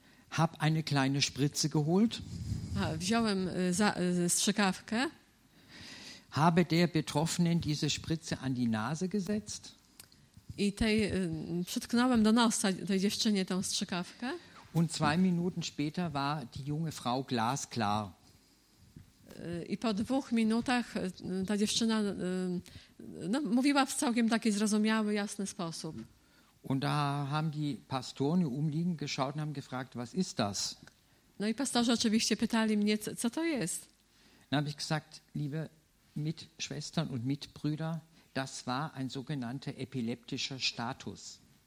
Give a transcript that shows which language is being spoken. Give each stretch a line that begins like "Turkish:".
German: Hab eine kleine Spritze geholt.
Polish: Aha, wziąłem strzykawkę.
German: Habe der Betroffenen diese Spritze an die Nase gesetzt.
Polish: I tej, przytknąłem do nosa tej dziewczynie tą strzykawkę.
German: Und zwei Minuten später war die junge Frau glasklar.
Polish: I po 2 minutach ta dziewczyna no, mówiła w całkiem taki zrozumiały, jasny sposób.
German: Und da haben die Pastoren umliegend geschaut und haben gefragt, was ist das?
Polish: No i pastorzy oczywiście pytali mnie, co to jest?
German: Dann habe ich gesagt, liebe Mitschwestern und Mitbrüder, das war ein sogenannter epileptischer Status.